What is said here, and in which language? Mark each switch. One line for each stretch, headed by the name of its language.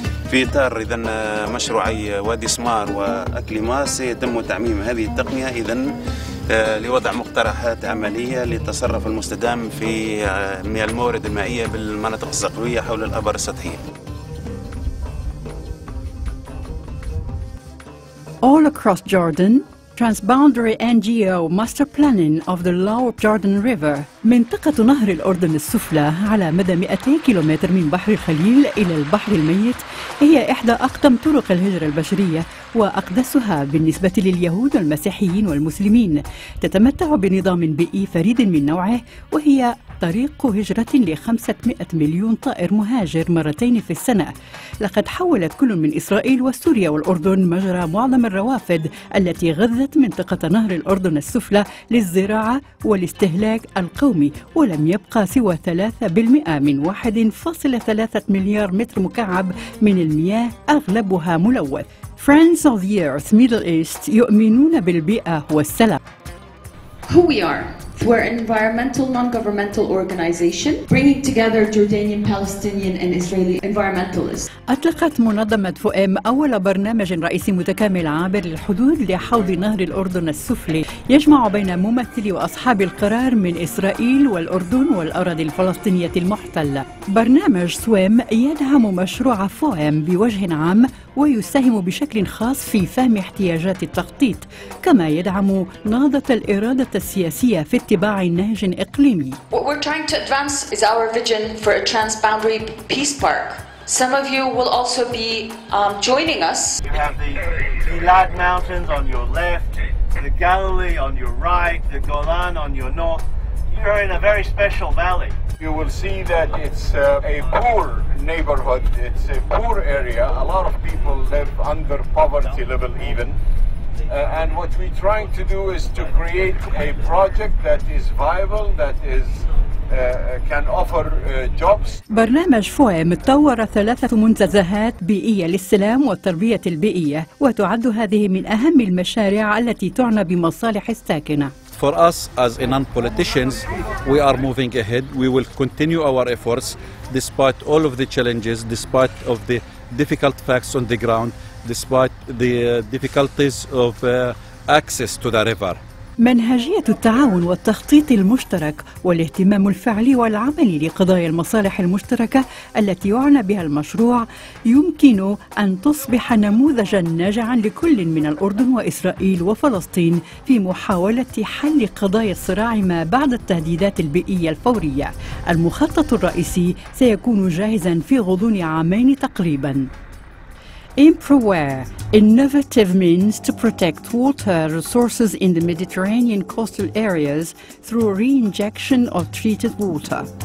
Arabic: في إطار إذن مشروعي وادي سمار وأكليماس يتم تعميم هذه التقنية إذن لوضع مقترحات عملية للتصرف المستدام في مياه الموارد المائية بالمناطق الزقوية حول الأبار السطحية.
English: All across Jordan, transboundary NGO master planning of the Lower Jordan River.
Arabic: منطقة نهر الأردن السفلى على مدى 200 كيلومتر من بحر الخليل إلى البحر الميت هي إحدى أقدم طرق الهجرة البشرية وأقدسها بالنسبة لليهود والمسيحيين والمسلمين. تتمتع بنظام بيئي فريد من نوعه، وهي طريق هجرة ل500 مليون طائر مهاجر مرتين في السنة. لقد حولت كل من إسرائيل وسوريا والأردن مجرى معظم الروافد التي غذت منطقة نهر الأردن السفلى للزراعة والاستهلاك القومي، ولم يبقى سوى 3% من 1.3 مليار متر مكعب من المياه أغلبها ملوث. Friends of the Earth Middle East يؤمنون بالبيئة والسلام.
English: Who we are? We're an environmental non-governmental organization bringing together Jordanian, Palestinian and Israeli environmentalists.
Arabic: أطلقت منظمة فؤام أول برنامج رئيسي متكامل عابر للحدود لحوض نهر الأردن السفلي، يجمع بين ممثلي وأصحاب القرار من إسرائيل والأردن والأراضي الفلسطينية المحتلة. برنامج سوام يدعم مشروع فؤام بوجه عام ويساهم بشكل خاص في فهم احتياجات التخطيط، كما يدعم نهضة الإرادة السياسية في اتباع نهج إقليمي.
English: What we're trying to advance is our vision for a transboundary peace park. Some of you will also be joining us. You have the Elad Mountains on your left, the Galilee on your right, the Golan on your north. You're in a very special valley. You will see that it's a poor neighborhood. It's a poor area. A lot of people live under poverty level even. And what we're trying to do is to create a project that is viable, that is can offer jobs.
Arabic: برنامج فؤام طور 3 منتزهات بيئية للسلام والتربية البيئية، وتعد هذه من أهم المشاريع التي تعنى بمصالح الساكنة.
English: For us as non-politicians, we are moving ahead. We will continue our efforts despite all of the challenges, despite of the difficult facts on the ground, despite the difficulties of access to the river.
Arabic: منهجية التعاون والتخطيط المشترك والاهتمام الفعلي والعملي لقضايا المصالح المشتركة التي يعنى بها المشروع يمكن أن تصبح نموذجاً ناجعاً لكل من الأردن وإسرائيل وفلسطين في محاولة حل قضايا الصراع ما بعد التهديدات البيئية الفورية. المخطط الرئيسي سيكون جاهزاً في غضون عامين تقريباً.
English: Improware, innovative means to protect water resources in the Mediterranean coastal areas through reinjection of treated water.